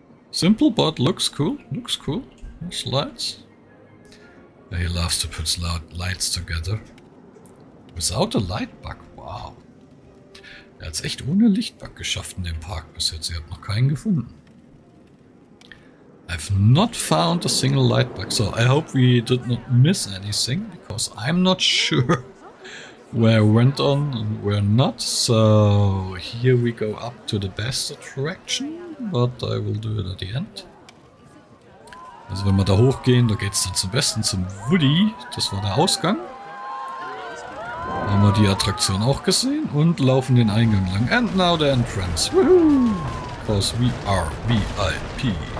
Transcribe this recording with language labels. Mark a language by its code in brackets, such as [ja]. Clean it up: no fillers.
[en] Simple, but looks cool. Looks cool. Nice lights. Yeah, he loves to put lights together. Without a light bug. Wow. [de] Er hat es echt ohne Lichtbug geschafft in dem Park bis jetzt. Ich habe noch keinen gefunden. [en] I've not found a single light bug. So I hope we did not miss anything. Because I'm not sure where I went on and where not, so here we go up to the best attraction, but I will do it at the end. [de] Also wenn wir da hochgehen, da geht's dann zum besten, zum Woody, das war der Ausgang. Da haben wir die Attraktion auch gesehen und laufen den Eingang lang. [en] And now the entrance, woohoo! Because we are VIP.